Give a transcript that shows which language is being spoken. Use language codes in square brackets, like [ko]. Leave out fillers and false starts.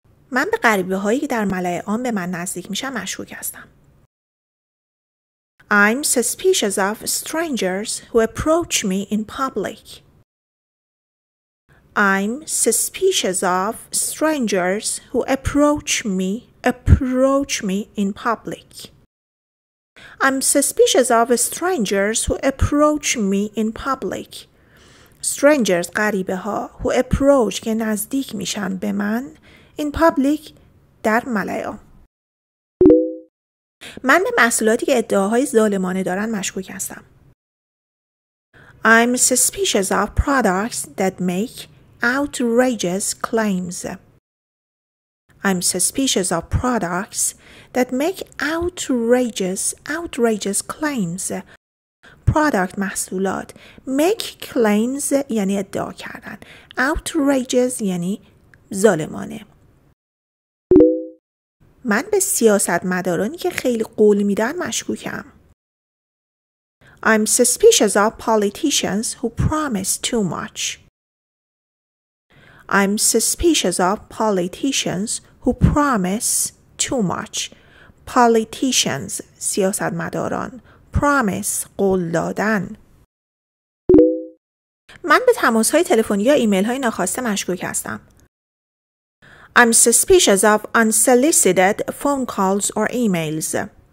[fa] من به غریبه‌هایی که در ملأ عام به من نزدیک میشن مشکوک هستم. [en] I'm suspicious of strangers who approach me in public. I'm suspicious of strangers who approach me in public. I'm suspicious of strangers who approach me in public. [fa] Strangers, غریبه ها, [en] who approach, [fa] که نزدیک میشن به من, [en] in public, [fa] در ملأ عام. من به محصولاتی که ادعاهای ظالمانه دارن مشکوک هستم. [en] I'm suspicious of products that make outrageous claims. I'm suspicious of products that make outrageous claims. [fa] Product محصولات. [en] Make claims [fa] یعنی ادعا کردن. Outrageous یعنی ظالمانه. من به سیاستمدارانی که خیلی قول میدن مشکوکم. [en] I'm suspicious of politicians who promise too much. I'm suspicious of politicians who promise too much. [fa] Politicians سیاستمداران. Promise قول دادن. من به تماس های تلفنی یا ایمیل های ناخواسته مشکوک هستم. [en] I'm suspicious of unsolicited phone calls or emails.